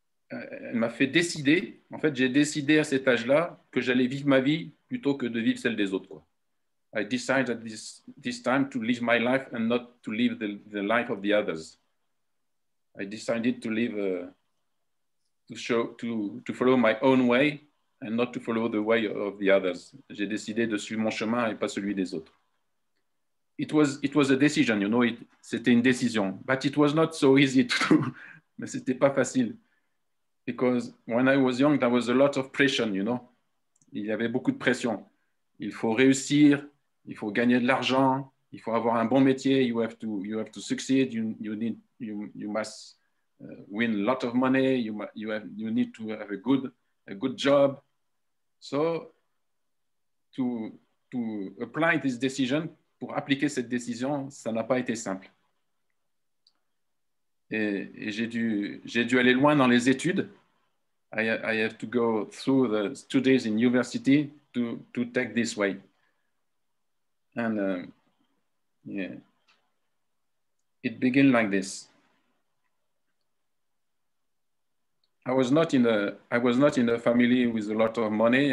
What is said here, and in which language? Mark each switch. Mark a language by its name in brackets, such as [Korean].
[French] Elle m'a fait décider, en fait, j'ai décidé à cet âge-là que j'allais vivre ma vie plutôt que de vivre celle des autres, quoi. [English] I decided at this time to live my life and not to live the life of the others. I decided to live, to follow my own way and not to follow the way of the others. [French] J'ai décidé de suivre mon chemin et pas celui des autres. [English] It was a decision, you know, [French] c'était une décision. [English] But it was not so easy to do, [French] mais c'était pas facile. [English] Because when I was young, there was a lot of pressure, you know. [French] Il y avait beaucoup de pression. Il faut réussir, il faut gagner de l'argent, il faut avoir un bon métier, [English] you have to succeed, you must win a lot of money, you need to have a good job. So to apply this decision, [French] pour appliquer cette décision, ça n'a pas été simple. Et j'ai dû aller loin dans les études. [English] I have to go through the studies in university to take this way. And yeah, it began like this. I was not in a family with a lot of money.